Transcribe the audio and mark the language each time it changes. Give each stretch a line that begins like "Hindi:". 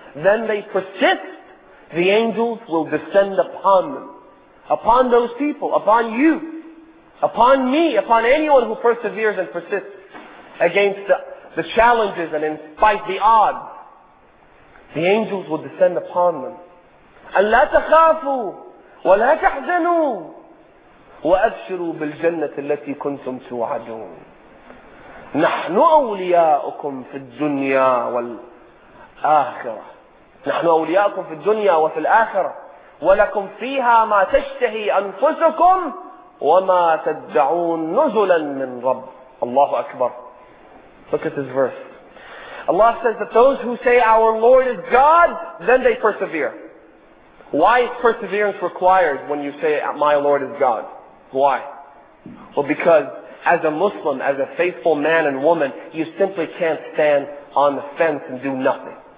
English: Then they persist, the angels will descend upon them. Upon those people, upon you, upon me, upon anyone who perseveres and persists against the challenges and in spite of the odds. The angels will descend upon them.
Arabic: أَلَّا تَخَافُوا وَلَا تَحْزَنُوا وَأَبْشِرُوا بِالْجَنَّةِ الَّتِي كُنْتُمْ تُوَعَدُونَ نَحْنُ أَوْلِيَاؤُكُمْ فِي الدُّنْيَا وَالْآخِرَةِ نحن أولياءكم في الدنيا وفي الآخرة ولكم فيها ما تشتهي أنفسكم وما تدعون نزلا من رب. الله أكبر.
English: Look at this verse. Allah says that those who say our Lord is God, then they persevere. Why is perseverance required when you say my Lord is God? Why? Well, because as a Muslim, as a faithful man and woman, you simply can't stand on the fence and do nothing.